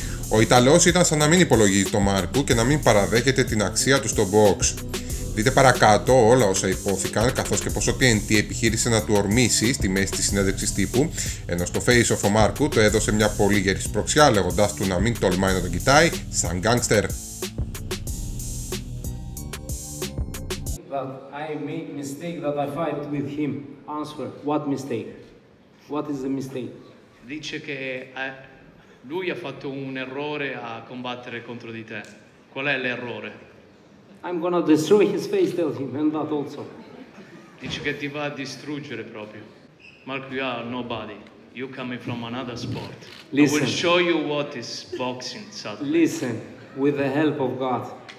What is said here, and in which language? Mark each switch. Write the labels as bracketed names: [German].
[Greek] Ο Ιταλός ήταν σαν να μην υπολογίζει τον Μάρκου και να μην παραδέχεται την αξία του στο box. Δείτε παρακάτω όλα όσα υπόθηκαν, καθώς και πως ο TNT επιχείρησε να του ορμήσει στη μέση της συνέντευξης τύπου, ενώ στο face of ο Μάρκου το έδωσε μια πολύ γερή σπρωξιά, λέγοντάς του να μην τολμάει να τον κοιτάει σαν γκάνγκστερ. [English] I made mistake that I fight with him. Answer, what mistake? What is the mistake? [Italian] Dice che lui ha fatto un errore a combattere contro di te. Qual è l'errore? [English] I'm gonna destroy his face, tell him, and that also. [Italian] Dice che ti va a distruggere proprio. [English] Mark, you are nobody. You coming from another sport. Listen. I will show you what is boxing, Saturday. Listen, with the help of God.